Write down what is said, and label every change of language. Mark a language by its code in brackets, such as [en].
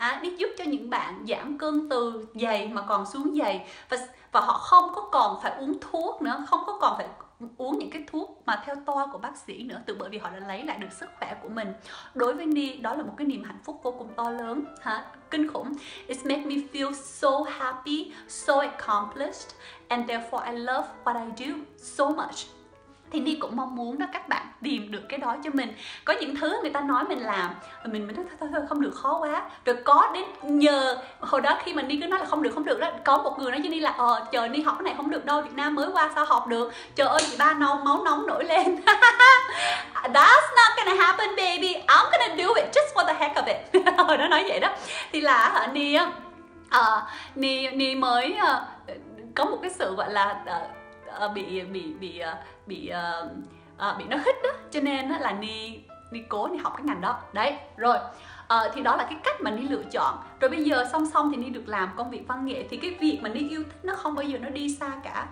[vi] Ni giúp cho những bạn giảm cân từ dày mà còn xuống dày, và họ không có còn phải uống thuốc nữa, không có còn phải uống những cái thuốc mà theo toa của bác sĩ nữa, từ bởi vì họ đã lấy lại được sức khỏe của mình. Đối với Ni, đó là một cái niềm hạnh phúc vô cùng to lớn, hả? Kinh khủng. [en] It's made me feel so happy, so accomplished, and therefore I love what I do so much. [vi] Thì Ni cũng mong muốn đó các bạn tìm được cái đó cho mình. Có những thứ người ta nói mình làm mình mới nói thôi không được khó quá. Rồi có đến nhờ hồi đó khi mà Ni cứ nói là không được đó, có một người nói cho Ni là chờ Ni học cái này không được đâu, Việt Nam mới qua sao học được, trời ơi chị ba non máu nóng nổi lên. [en] That's not gonna happen baby, I'm gonna do it just for the heck of it. [vi] Hồi đó nói vậy đó. Thì là Ni mới có một cái sự gọi là bị nó khích đó, cho nên là Ni cố Ni học cái ngành đó đấy. Rồi thì đó là cái cách mà Ni lựa chọn. Rồi bây giờ song song thì Ni được làm công việc văn nghệ, thì cái việc mà Ni yêu thích nó không bao giờ nó đi xa cả.